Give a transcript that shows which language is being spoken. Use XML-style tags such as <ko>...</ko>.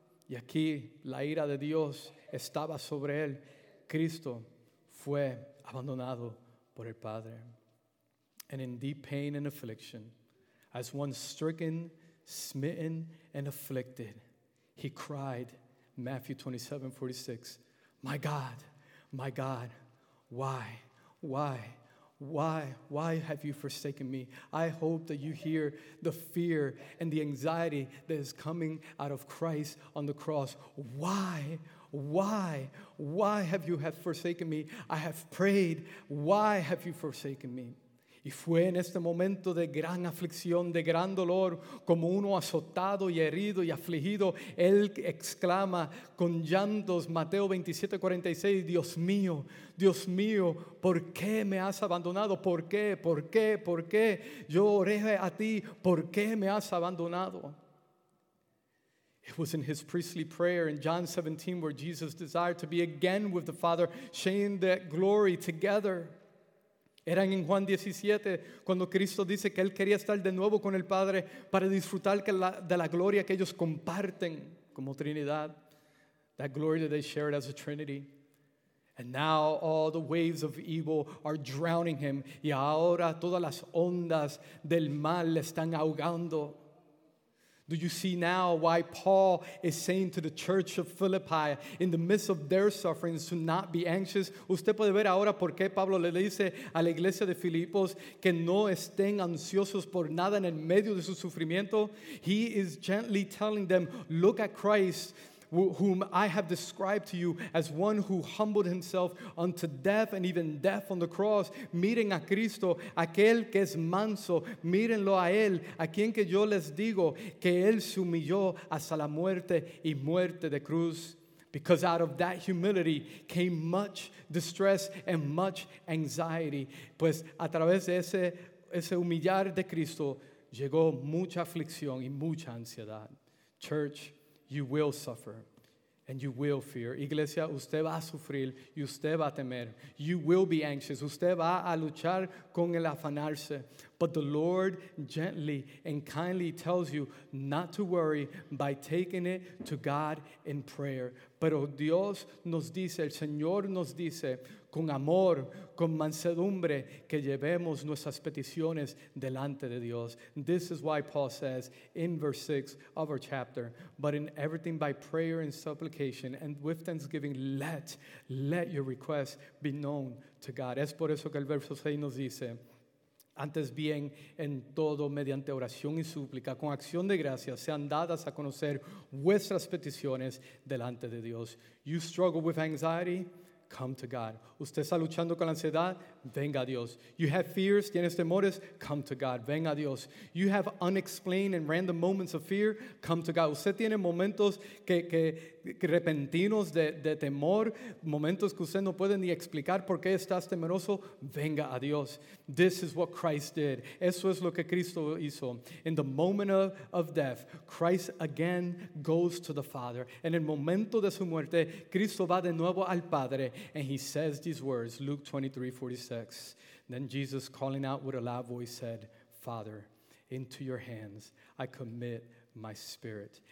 <es>Y aquí la ira de Dios estaba sobre Él. Cristo fue abandonado por el Padre.</es> <en>And in deep pain and affliction, as one stricken, smitten, and afflicted, He cried, Matthew 27:46, My God, my God, why, why? Why have you forsaken me? I hope that you hear the fear and the anxiety that is coming out of Christ on the cross. Why, Why have you have forsaken me? I have prayed. Why have you forsaken me?</en> <es>Y fue en este momento de gran aflicción, de gran dolor, como uno azotado y herido y afligido, él exclama con llantos, Mateo 27:46, Dios mío, ¿por qué me has abandonado? ¿Por qué? ¿Por qué? ¿Por qué? Yo oré a ti, ¿por qué me has abandonado?</es> <en>It was in his priestly prayer in John 17 where Jesus desired to be again with the Father, sharing that glory together.</en> <es>Eran en Juan 17 cuando Cristo dice que él quería estar de nuevo con el Padre para disfrutar de la gloria que ellos comparten como Trinidad.</es> <en>That glory that they shared as a Trinity. And now all the waves of evil are drowning him.</en> <es>Y ahora todas las ondas del mal le están ahogando.</es> <en>Do you see now why Paul is saying to the church of Philippi in the midst of their sufferings to not be anxious?</en> <es>Usted puede ver ahora por qué Pablo le dice a la iglesia de Filipos que no estén ansiosos por nada en el medio de su sufrimiento.</es> <en>He is gently telling them, look at Christ, whom I have described to you as one who humbled himself unto death and even death on the cross.</en> <es>Miren a Cristo, aquel que es manso. Mírenlo a él, a quien que yo les digo que él se humilló hasta la muerte y muerte de cruz.</es> <en>Because out of that humility came much distress and much anxiety.</en> <es>Pues a través de ese humillar de Cristo llegó mucha aflicción y mucha ansiedad.</es> <en>Church, you will suffer and you will fear.</en> <es>Iglesia, usted va a sufrir y usted va a temer.</es> <en>You will be anxious.</en> <es>Usted va a luchar con el afanarse.</es> <en>But the Lord gently and kindly tells you not to worry by taking it to God in prayer.</en> <es>Pero Dios nos dice, el Señor nos dice, con amor, con mansedumbre, que llevemos nuestras peticiones delante de Dios.</es> <en>This is why Paul says in verse 6 of our chapter, but in everything by prayer and supplication and with thanksgiving, let your requests be known to God.</en> <es>Es por eso que el verso 6 nos dice, antes bien, en todo, mediante oración y súplica, con acción de gracias, sean dadas a conocer vuestras peticiones delante de Dios.</es> <en>You struggle with anxiety? Come to God.</en> <es>Usted está luchando con la ansiedad? Venga a Dios.</es> <en>You have fears?</en> <es>Tienes temores?</es> <en>Come to God.</en> <es>Venga a Dios.</es> <en>You have unexplained and random moments of fear? Come to God.</en> <es>Usted tiene momentos que repentinos de temor, momentos que usted no puede ni explicar por qué estás temeroso? Venga a Dios.</es> <en>This is what Christ did.</en> <es>Eso es lo que Cristo hizo.</es> <en>In the moment of death, Christ again goes to the Father.</en> <es>En el momento de su muerte, Cristo va de nuevo al Padre,</es> <en>and he says these words,</en> <es>Luke 23:46.</es> <en>Then Jesus, calling out with a loud voice, said, Father, into your hands I commit my spirit.</en>